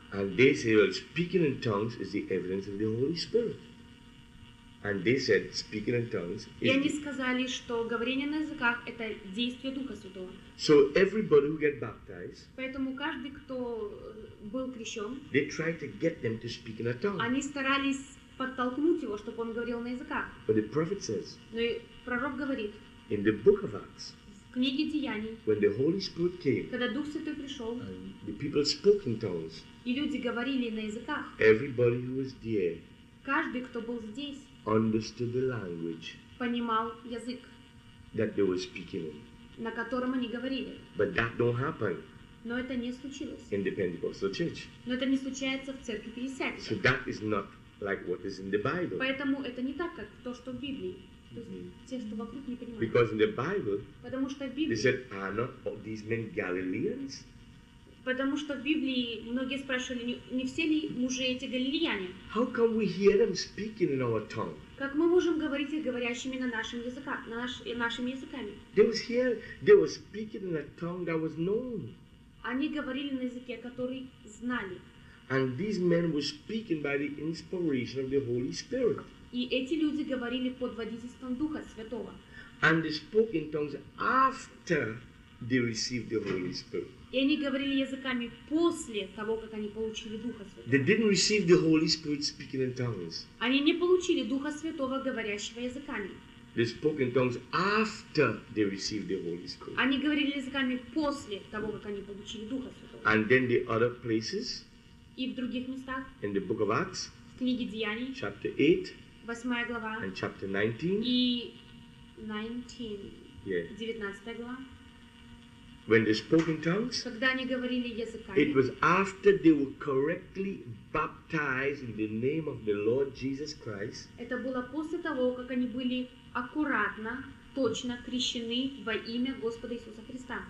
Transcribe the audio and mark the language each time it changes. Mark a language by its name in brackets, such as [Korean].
[English] And they said, well, speaking in tongues is the evidence of the Holy Spirit. And they said, speaking in tongues is. [Russian] И они сказали, что говорение на языках – это действие Духа Святого. [English] So everybody who get baptized. [Russian] Поэтому каждый, кто был крещен. [English] They try to get them to speak in a tongue. [Russian] Они старались подтолкнуть его, чтобы он говорил на языках. [English] But the prophet says. [Russian] Но пророк говорит. [English] In the book of Acts. [Russian] В книге Деяний. [English] When the Holy Spirit came. [Russian] Когда Дух Святой пришел. [English] The people spoke in tongues. [Russian] И люди говорили на языках. [English] Everybody who was there. [Russian] Каждый, кто был здесь. [English] Understood the language. [Russian] Понимал язык. [English] That they were speaking in. [Russian] На котором они говорили. [English] But that don't happen. [Russian] Но это не случилось. [English] In the Pentecostal church. [Russian] Но это не случается в церкви Пятидесятников. [English] So that is not like what is in the Bible. [Russian] Поэтому это не так, как то, что в Библии. Те, что вокруг, не понимают. [English] Because in the Bible, [Russian] потому что в Библии, [English] they said, are not all these men Galileans? [Russian] Потому что в Библии многие спрашивали, не все ли мужи эти галилеяне? [English] How come we hear them speaking in our tongue? [Russian] Как мы можем говорить их говорящими на нашем языке, на нашими языками? [English] They was here, they were speaking in a tongue that was known. [Russian] Они говорили на языке, который знали. [English] And these men were speaking by the inspiration of the Holy Spirit. [Russian] И эти люди говорили под водительством Духа Святого. [English] And they spoke in tongues after they received the Holy Spirit. [Russian] И они говорили языками после того, как они получили Духа Святого. [English] They didn't receive the Holy Spirit speaking in tongues. [Russian] Они не получили Духа Святого, говорящего языками. [English] They spoke in tongues after they received the Holy Spirit. [Russian] Они говорили языками после того, как они получили Духа Святого. [English] And then the other places. [Russian] И в других местах. [English] In the Book of Acts. [Russian] В книге Деяний. [English] Chapter 8. [Russian] Восьмая глава. [English] And chapter 19. [Russian] И 19. 19 глава. [English] When they spoke in tongues, [Russian] когда они говорили языками, [English] it was after they were correctly baptized in the name of the Lord Jesus Christ. [Russian] Это было после того, как они были аккуратно, точно крещены во имя Господа Иисуса Христа.